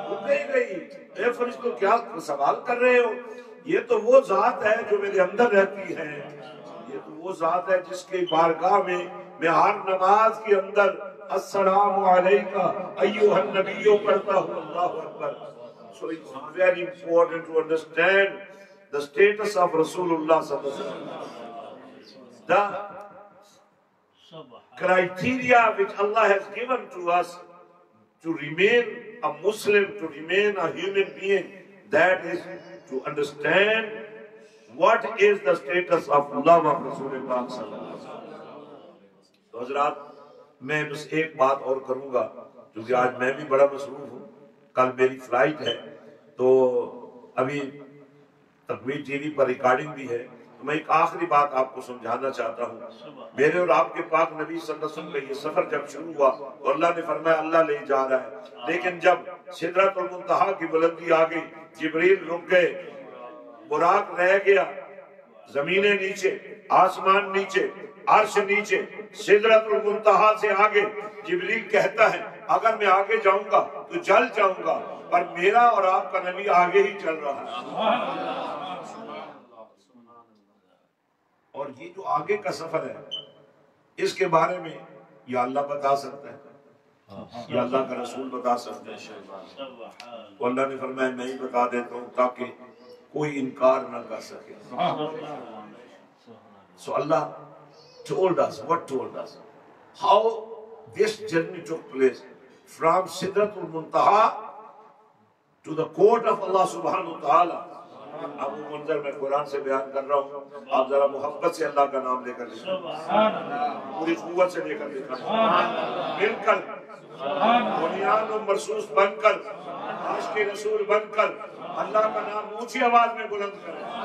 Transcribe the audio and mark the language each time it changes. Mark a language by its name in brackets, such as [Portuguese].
[Urdu] وہ کہیں گے اے فرشتوں کیا سوال کر رہے ہو، یہ تو وہ ذات ہے جو میرے اندر رہتی ہے، یہ تو وہ ذات ہے جس کے بارگاہ میں میں ہر نماز کے اندر [Arabic] السلام علیکہ ایوہ النبی [Urdu] پڑھتا ہوں، اللہ اکبر. [English] So it's very important to understand the status of رسول اللہ صلی اللہ علیہ وسلم. The criteria which Allah has given to us to remain a Muslim, to remain a human being, that is to understand what is the status of love of رسول اللہ صلی اللہ علیہ وسلم. [Urdu] حضرات میں بس ایک بات اور کروں گا، کیونکہ آج میں بھی بڑا مصروف ہوں، کل میری فلائٹ ہے، تو ابھی تکبیر ٹی وی پر ریکارڈنگ بھی ہے، تو میں ایک آخری بات آپ کو سمجھانا چاہتا ہوں. میرے اور آپ کے پاک نبی صلی اللہ علیہ وسلم کا یہ سفر جب شروع ہوا تو اللہ نے فرمایا اللہ لے جا رہا ہے، لیکن جب سدرۃ المنتہا کی بلندی آ گئی، جبریل رک گئے، براق رہ گیا، زمینیں نیچے، آسمان نیچے، عرش نیچے، سدرۃ المنتہا سے آگے جبریل کہتا ہے اگر میں آگے جاؤں گا تو جل جاؤں گا، پر میرا اور آپ کا نبی آگے ہی چل رہا ہے. اور یہ جو آگے کا سفر ہے اس کے بارے میں یا اللہ بتا سکتا ہے، یا اللہ کا رسول بتا سکتا ہے. تو اللہ نے فرمایا میں ہی بتا دیتا ہوں تاکہ کوئی انکار نہ کر سکے. [English] So اللہ told us, what told us, how this journey took place from Sidratul Muntaha to the court of Allah subhanahu wa ta'ala. [Urdu] اب وہ منظر میں قرآن سے بیان کر رہا ہوں، آپ ذرا محبت سے اللہ کا نام لے کر لیں، پوری قوت سے لے کر لیں، مل کر بنیان و مرسوس بن کر، عشق کے رسول بن کر اللہ کا نام اونچی آواز میں بلند کریں.